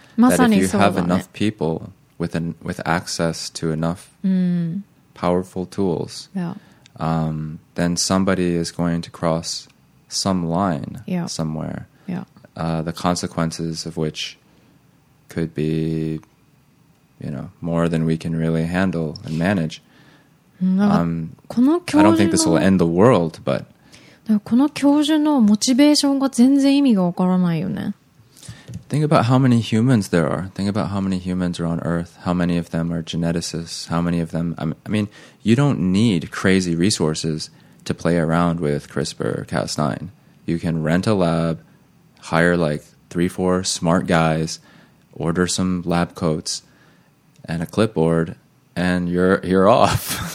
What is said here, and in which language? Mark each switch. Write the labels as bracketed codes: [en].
[en] That if you have enough people with access to enough powerful tools, then somebody is going to cross some line somewhere. The consequences of which could be, you know, more than we can really handle and manage. I don't think this will end the world, but [ja] この教授のモチベーションが全然意味がわからないよね。 [en] Think about how many humans there are. Think about how many humans are on Earth. How many of them are geneticists? How many of them... I mean, you don't need crazy resources to play around with CRISPR or Cas9. You can rent a lab, hire like 3-4 smart guys, order some lab coats and a clipboard, and you're off.